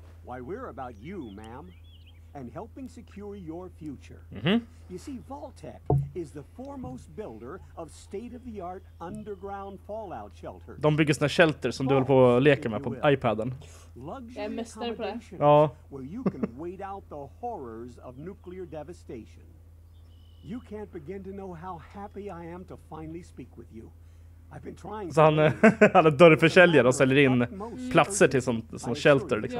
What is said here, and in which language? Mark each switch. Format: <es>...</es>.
<en>Why, we're about you, ma'am, and helping secure your future. Mm-hmm. You see, Vault-Tec is the foremost builder of state-of-the-art underground fallout shelters.</en> <sv>De bygger såna shelter som du håller på att leka med på iPaden. Jag är mästare på det. Ja.</sv> <en>Where you can wait out the horrors of nuclear devastation. You can't begin to know how happy I am to finally speak with you. I've been trying.</en> <sv>Så han hade dörrförsäljare och säljer in platser till som shelter liksom.</sv>